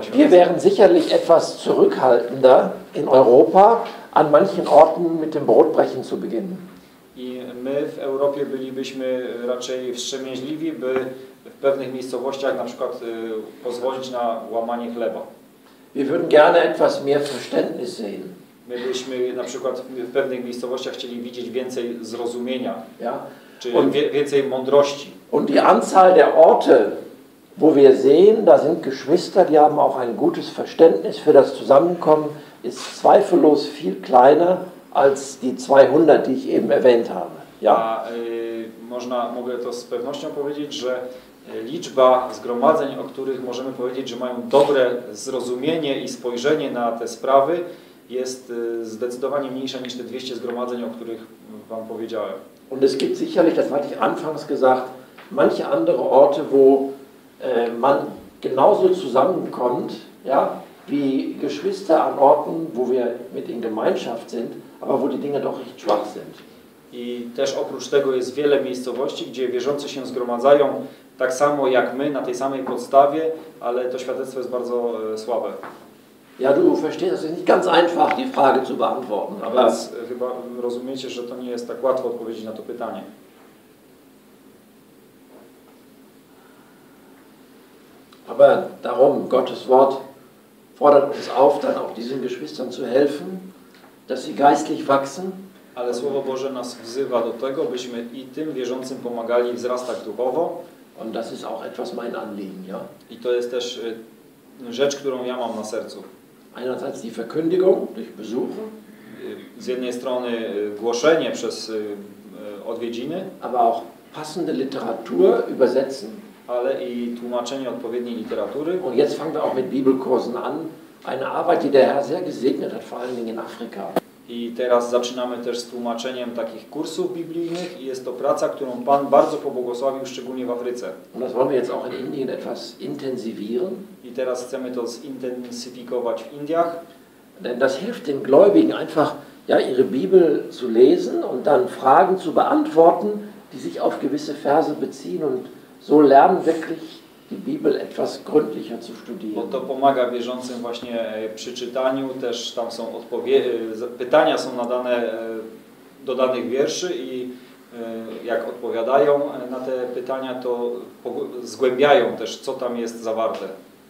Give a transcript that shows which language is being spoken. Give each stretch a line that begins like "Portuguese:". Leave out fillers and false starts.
German: Wir wären sicherlich etwas zurückhaltender in Europa, an manchen Orten mit dem Brotbrechen zu beginnen.
Polish: I my w Europie bylibyśmy raczej wstrzemięźliwi, by w pewnych miejscowościach na przykład pozwolić na łamanie chleba.
German: Wir würden gerne etwas mehr Verständnis sehen.
Polish: My byśmy na przykład w pewnych miejscowościach chcieli widzieć więcej zrozumienia,
German: ja?
Polish: Czyli und, więcej mądrości.
German: Und die Anzahl der Orte, wo wir sehen, da sind Geschwister, die haben auch ein gutes Verständnis für das Zusammenkommen, ist zweifellos viel kleiner als die 200, die ich eben erwähnt habe.
Polish: Ja, mogę to z pewnością powiedzieć, że liczba zgromadzeń, o których możemy powiedzieć, że mają dobre zrozumienie i spojrzenie na te sprawy, jest zdecydowanie mniejsza niż te 200 zgromadzeń, o których wam powiedziałem.
German: Und es gibt sicherlich, das hatte ich anfangs gesagt, manche andere Orte, wo man genauso zusammenkommt, ja, wie Geschwister an Orten, wo wir mit in Gemeinschaft sind, aber wo die Dinge doch recht schwach sind.
Polish: I też oprócz tego jest wiele miejscowości, gdzie wierzący się zgromadzają tak samo jak my, na tej samej podstawie, ale to świadectwo jest bardzo słabe.
German: Ja, du verstehst, das ist nicht ganz einfach, die Frage zu beantworten.
Polish: A więc chyba rozumiecie, że to nie jest tak łatwo odpowiedzieć na to pytanie.
German: Aber darum, Gottes Wort fordert uns auf, dann auch diesen Geschwistern zu helfen, dass sie geistlich wachsen.
Polish: Ale Słowo Boże nas wzywa do tego, byśmy i tym wierzącym pomagali wzrastać duchowo.
German: Und das ist auch etwas mein Anliegen, ja?
Polish: I to jest też rzecz, którą ja mam na sercu.
German: Einerseits die Verkündigung durch Besuche.
Polish: Z jednej strony głoszenie przez odwiedziny.
German: Aber auch passende Literatur übersetzen.
Polish: Ale i tłumaczenie odpowiedniej literatury.
German: Und jetzt fangen wir auch mit Bibelkursen an. Eine Arbeit, die der Herr sehr gesegnet hat, vor allen Dingen in Afrika.
Polish: I teraz zaczynamy też z tłumaczeniem takich kursów biblijnych i jest to praca, którą Pan bardzo pobłogosławił, szczególnie w Afryce.
German: Und das wollen wir jetzt auch in Indien etwas intensivieren.
Polish: I teraz chcemy to zintensyfikować w Indiach.
German: Denn das hilft den Gläubigen einfach, ja, ihre Bibel zu lesen und dann Fragen zu beantworten, die sich auf gewisse Verse beziehen und so lernen wirklich die Bibel etwas gründlicher zu studieren.
Polish: Bo to pomaga wierzącym właśnie przy czytaniu, też tam są pytania są nadane do danych wierszy i jak odpowiadają na te pytania, to zgłębiają też, co tam jest zawarte.